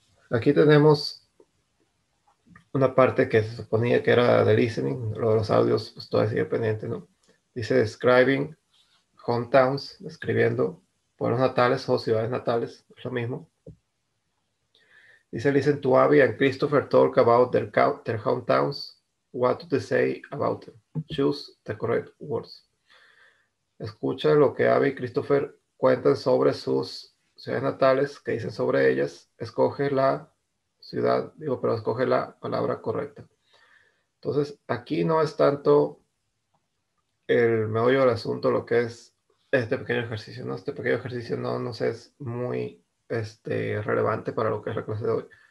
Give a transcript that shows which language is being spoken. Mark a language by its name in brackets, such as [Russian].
[Spanish] Aquí tenemos una parte que se suponía que era de listening, lo de los audios, pues todavía sigue pendiente, ¿no? Dice [English] describing hometowns, [Spanish] describiendo pueblos natales o ciudades natales, es lo mismo. Dice [English] listen to Abby and Christopher talk about their hometowns. What do they say about them? Choose the correct words. [Spanish] Escucha lo que Abby y Christopher cuentan sobre sus ciudades natales, que dicen sobre ellas. Escoge la ciudad, digo, pero escoge la palabra correcta. Entonces, aquí no es tanto el meollo del asunto, lo que es este pequeño ejercicio, ¿no? Este pequeño ejercicio no sé, es muy relevante para lo que es la clase de hoy.